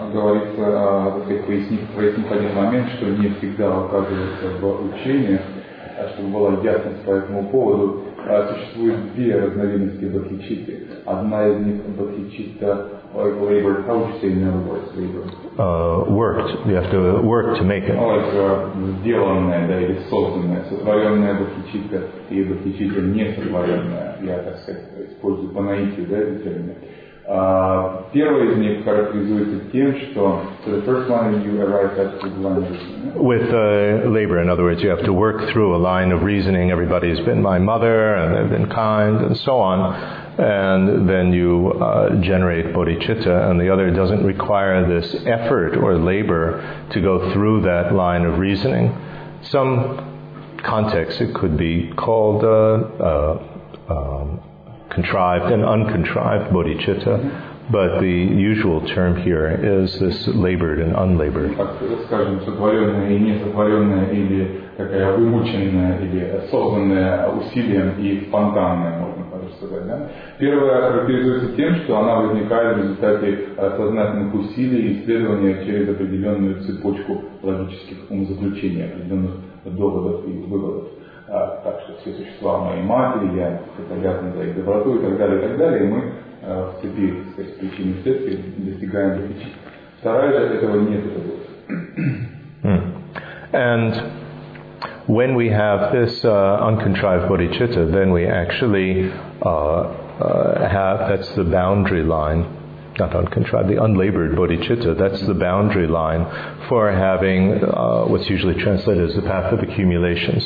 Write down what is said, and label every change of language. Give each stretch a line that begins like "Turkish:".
Russian: Говорится, пояснить один момент, что не всегда оказывается в учениях, а чтобы была ясность по этому поводу, существует две разновидности бодхичитты. Одна из них бодхичитта labored.
English: How would you say in other words, labored? Worked. You have to work to make it.
Russian: Oh, это сделанная, да, или созданная, сотворенная бодхичитта и бодхичитта не сотворенная. Я, так сказать, использую по наитию, да, этот термин. Первая из них характеризуется тем, что
English: the first one you arrive at the line of reasoning. With labor, in other words, you have to work through a line of reasoning. Everybody's been my mother, and they've been kind, and so on. And then you generate bodhicitta, and the other doesn't require this effort or labor to go through that line of reasoning. Some context, it could be called contrived and uncontrived bodhicitta, but the usual term here is this labored and unlabored.
Russian: Скажем, сотворенное и несотворенное, или такая вымученное, или осознанное усилием и спонтанное, можно так сказать. собой. Да? Первая характеризуется тем, что она возникает в результате сознательных усилий и исследования через определенную цепочку логических умозаключений, определенных доводов и выводов. Так что все существа моей матери, я обязан за их доброту и так далее, мы в цепи, так сказать, причин и следствий достигаем причин. Вторая же этого нет.
English: And when we have this uncontrived bodhicitta, then we actually have, that's the boundary line, not uncontrived, the unlabored bodhicitta, that's the boundary line for having what's usually translated as the path of accumulation.